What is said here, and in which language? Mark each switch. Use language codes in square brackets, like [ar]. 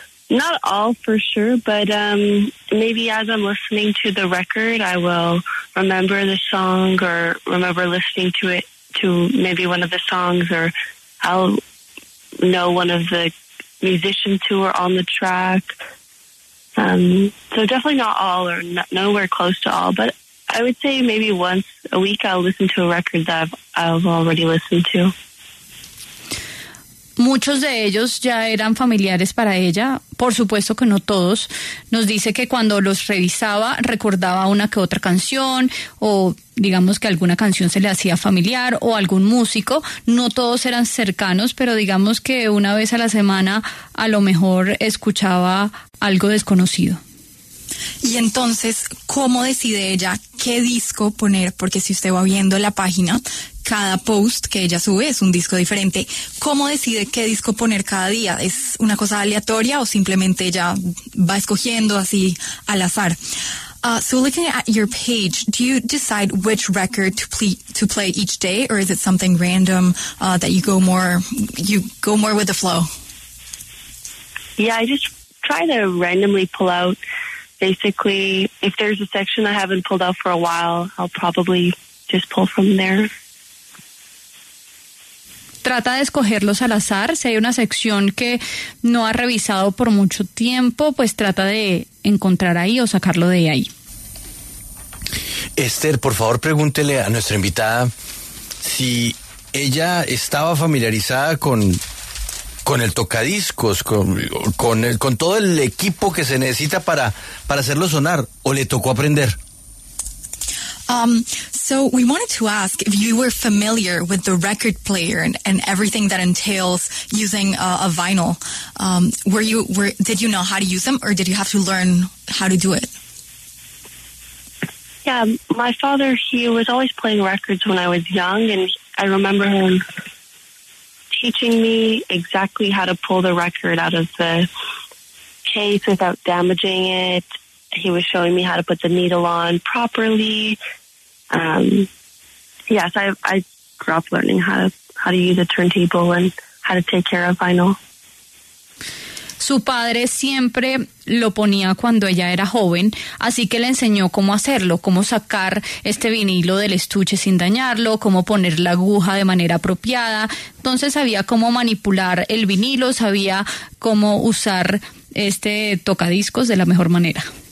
[en] Not all for sure, but maybe as I'm listening to the record, I will remember the song or remember listening to it, to maybe one of the songs, or I'll know one of the musicians who are on the track. So definitely not all or nowhere close to all, but I would say maybe once a week I'll listen to a record that I've already listened to. [es] Muchos de ellos ya eran familiares para ella, por supuesto que no todos. Nos dice que cuando los revisaba recordaba una que otra canción, o digamos que alguna canción se le hacía familiar, o algún músico. No todos eran cercanos, pero digamos que una vez a la semana a lo mejor escuchaba algo desconocido. Y entonces, ¿cómo decide ella qué disco poner? Porque si usted va viendo la página, cada post que ella sube es un disco diferente. ¿Cómo decide qué disco poner cada día? ¿Es una cosa aleatoria o simplemente ella va escogiendo así al azar? [en] So looking at your page, do you decide which record to play each day, or is it something random that you go more with the flow? Yeah, I just try to randomly pull out. Basically, if there's a section I haven't pulled out for a while, I'll probably just pull from there. [es] Trata de escogerlos al azar. Si hay una sección que no ha revisado por mucho tiempo, pues trata de encontrar ahí o sacarlo de ahí. Esther, por favor, pregúntele a nuestra invitada si ella estaba familiarizada con el tocadiscos, con todo el equipo que se necesita para hacerlo sonar, o le tocó aprender. [en] So we wanted to ask if you were familiar with the record player and everything that entails using a vinyl. Did you know how to use them, or did you have to learn how to do it? Yeah, my father, he was always playing records when I was young, and I remember him teaching me exactly how to pull the record out of the case without damaging it. He was showing me how to put the needle on properly. So I grew up learning how to use a turntable and how to take care of vinyl. [es] su padre siempre lo ponía cuando ella era joven, así que le enseñó cómo hacerlo, cómo sacar este vinilo del estuche sin dañarlo, cómo poner la aguja de manera apropiada. Entonces sabía cómo manipular el vinilo, sabía cómo usar este tocadiscos de la mejor manera.